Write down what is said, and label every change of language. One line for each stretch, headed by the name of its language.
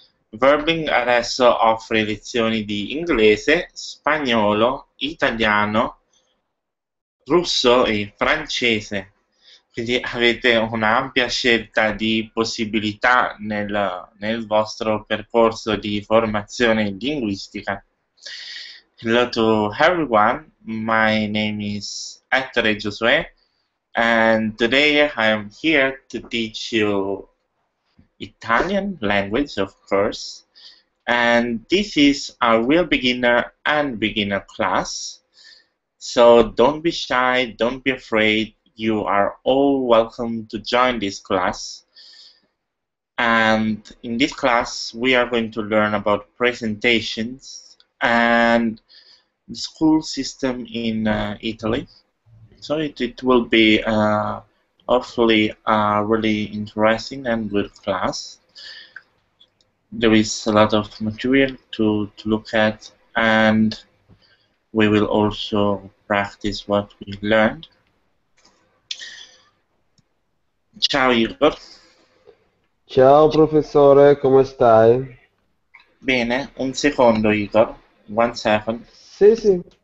Italian: Verbing adesso offre lezioni di inglese, spagnolo, italiano, russo e francese. Quindi avete un'ampia scelta di possibilità nel vostro percorso di formazione linguistica.
English: Hello to everyone, my name is Ettore Giosuè, and today I am here to teach you Italian language, of course. And this is a real beginner and beginner class, so don't be shy, don't be afraid. You are all welcome to join this class. And in this class, we are going to learn about presentations and the school system in Italy. So it will be hopefully a really interesting and good class. There is a lot of material to look at, and we will also practice what we learned.
Italian: Ciao Igor. Ciao professore, come stai? Bene, un secondo Igor,
English: one second.
Italian: Sì.